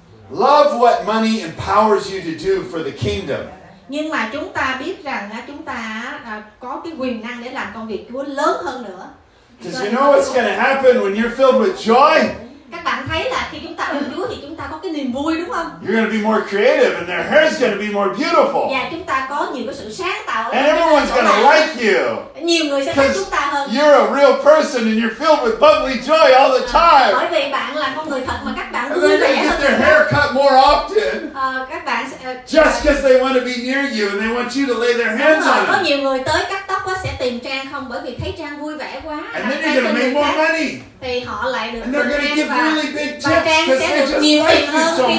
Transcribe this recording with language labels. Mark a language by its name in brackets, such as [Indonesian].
[English] Love what money empowers you to do for the kingdom. [Vietnamese] Nhưng mà chúng ta biết rằng chúng ta có cái quyền năng để làm công việc Chúa lớn hơn nữa. [English] Because you know what's going to happen when you're filled with joy? [Vietnamese] Các bạn thấy là khi chúng ta ơn Chúa thì chúng ta có cái niềm vui đúng không? [English] You're going to be more creative and their hair is going to be more beautiful. [Vietnamese] Và chúng ta có nhiều cái sự sáng tạo. [English] And everyone's going to like you. [Vietnamese] Nhiều người sẽ thích chúng ta hơn. [English] You're a real person and you're filled with bubbly joy all the time. [Vietnamese] Bởi vì bạn là con người thật mà các bạn vui vẻ hơn. [English] And then they get their hair cut more often. [Vietnamese] Các bạn [English] just because they want to be near you and they want you to lay their hands on them. [Vietnamese] Có nhiều người tới cắt tóc quá sẽ tìm Trang không bởi vì thấy Trang vui vẻ quá. [English] And then you're going to make more money. [Vietnamese] Thì họ lại được [English] and they're going to give really big tips because they just like you so much.